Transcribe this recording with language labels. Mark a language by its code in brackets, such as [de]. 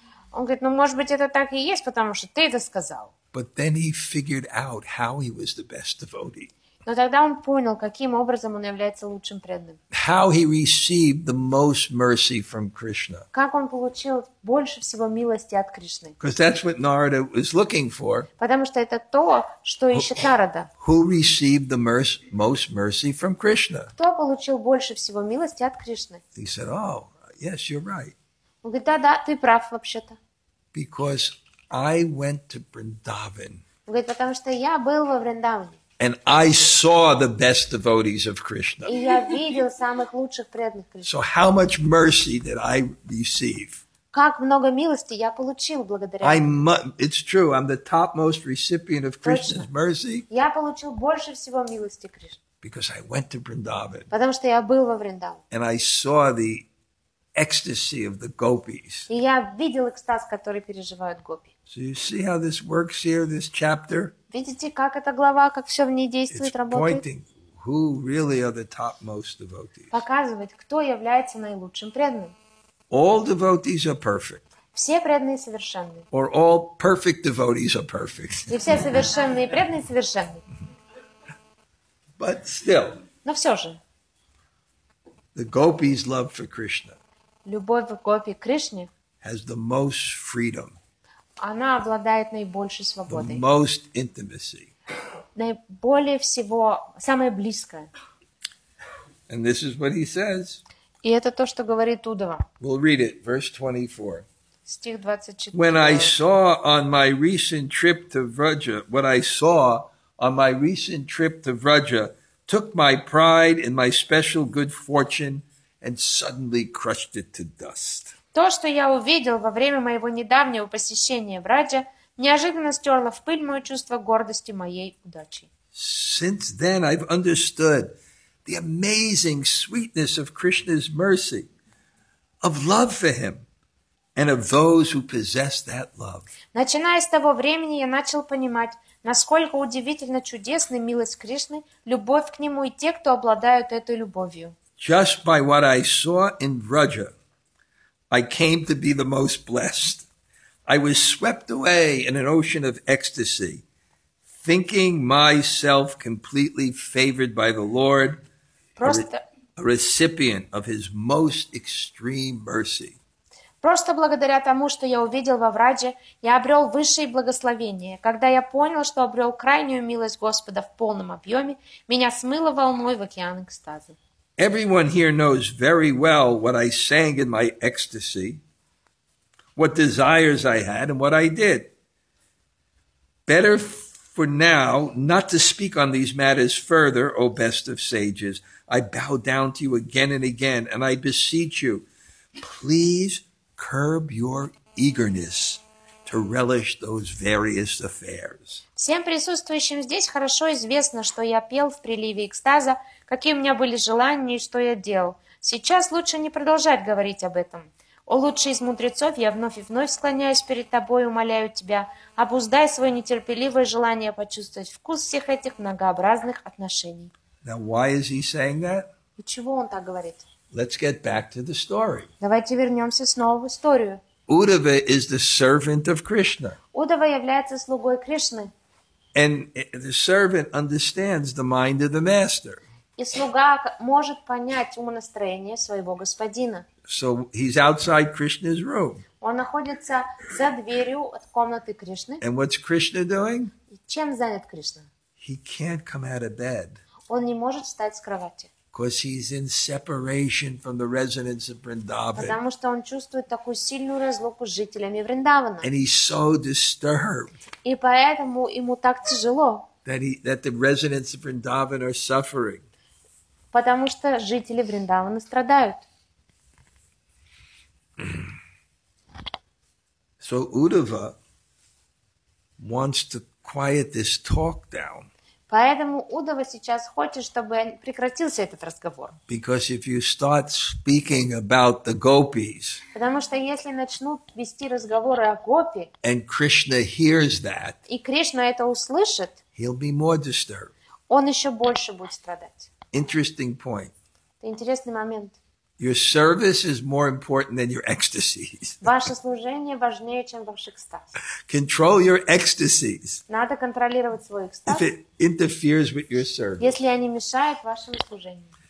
[ru] Он говорит, ну, может быть, это так и есть, потому что ты это сказал. [en] But then he figured out how he was the best devotee. [ru] Но тогда он понял, каким образом он является лучшим преданным. [en] How he received the most mercy from Krishna. [ru] Как он получил больше всего милости от Кришны. [en] Because that's what Narada was looking for. [ru] Потому что это то, что ищет Нарада. [en] Who received the most mercy from Krishna? [ru] Кто получил больше всего милости от Кришны? [en] He said, "Oh, yes, you're right." [ru] Он говорит, да, ты прав вообще-то. [en] Because I went to Vrindavan. [ru] Он говорит, потому что я был во Вриндаване. [en] And I saw the best devotees of Krishna. [ru] И я видел самых лучших преданных Кришны. [en] So how much mercy did I receive? [ru] Как много милости я получил благодаря. [en] It's true. I'm the topmost recipient of Krishna's mercy. [ru] Я получил больше всего милости Кришны. [en] Because I went to Vrindavan. [ru] Потому что я был во Вриндаване. [en] And I saw the ecstasy of the gopis. [ru] И я видел экстаз, который переживают гопи. [en] So you see how this works here, this chapter? [ru] Видите, как эта глава, как все в ней действует, [en] It's [ru] работает? [en] Pointing who really are the topmost devotees. [ru] Показывает, кто является наилучшим преданным. [en] All devotees are perfect. [ru] Все преданные совершенны. [en] Or all perfect devotees are perfect. [ru] И все совершенные преданные совершенны. [en] But still. [ru] Но все же. [en] The gopis' love for Krishna. [ru] Любовь гопи к Кришне. [en] Has the most freedom. [ru] Она обладает наибольшей свободой. [en] The most intimacy. [ru] Наиболее всего, самое близкое. [en] And this is what he says. [ru] И это то, что говорит Удава. [en] We'll read it, verse 24. [ru] Стих 24. [en] When I saw on my recent trip to Vraja, what I saw on my recent trip to Vraja took my pride and my special good fortune and suddenly crushed it to dust. [ru] То, что я увидел во время моего недавнего посещения Враджа, неожиданно стерло в пыль мое чувство гордости моей удачи. [en] Since then I've understood the amazing sweetness of Krishna's mercy, of love for him, and of those who possess that love. [ru] Начиная с того времени, я начал понимать, насколько удивительно чудесна милость Кришны, любовь к нему и те, кто обладают этой любовью. [en] Just by what I saw in Враджа, I came to be the most blessed. I was swept away in an ocean of ecstasy, thinking myself completely favored by the Lord, a recipient of His most extreme mercy. [ru] Просто благодаря тому, что я увидел во Врадже, я обрел высшее благословение. Когда я понял, что обрел крайнюю милость Господа в полном объеме, меня смыло волной в океан экстаза. [en] Everyone here knows very well what I sang in my ecstasy, what desires I had, and what I did. Better for now not to speak on these matters further, O best of sages. I bow down to you again and again, and I beseech you, please curb your eagerness to relish those various affairs. [ru] Всем присутствующим здесь хорошо известно, что я пел в приливе экстаза, какие у меня были желания и что я делал. Сейчас лучше не продолжать говорить об этом. О, лучший из мудрецов, я вновь и вновь склоняюсь перед тобой, умоляю тебя, обуздай свое нетерпеливое желание почувствовать вкус всех этих многообразных отношений. [en] Now, why is he saying that? [ru] Почему он так говорит? [en] Let's get back to the story. [ru] Давайте вернемся снова в историю. [en] Удава is the servant of Krishna. [ru] Удава является слугой Кришны. [en] And the servant understands the mind of the master. [ru] И слуга может понять умонастроение своего господина. [en] So he's outside Krishna's room. [ru] Он находится за дверью от комнаты Кришны. [en] And what's Krishna doing? [ru] И чем занят Кришна? [en] He can't come out of bed. [ru] Он не может встать с кровати. [en] Because he's in separation from the residents of Vrindavan. [ru] Потому что он чувствует такую сильную разлуку с жителями Вриндавана. [en] And he's so disturbed. [ru] И поэтому ему так тяжело. [en] That the residents of Vrindavan are suffering. [ru] Потому что жители Вриндавана страдают. [en] So Uddhava wants to quiet this talk down. [ru] Поэтому Удава сейчас хочет, чтобы прекратился этот разговор. [en] Because if you start speaking about the gopis, [ru] потому что если начнут вести разговоры о гопи, [en] and Krishna hears that, [ru] и Кришна это услышит, [en] he'll be more disturbed. [ru] Он еще больше будет страдать. [en] Interesting point. [ru] Это интересный момент. [en] Your service is more important than your ecstasies. [ru] Ваше служение важнее, чем ваш экстаз. [en] Control your ecstasies. [ru] Надо контролировать свой экстаз. [en] If it interferes with your service. [ru] Если они мешают вашему служению.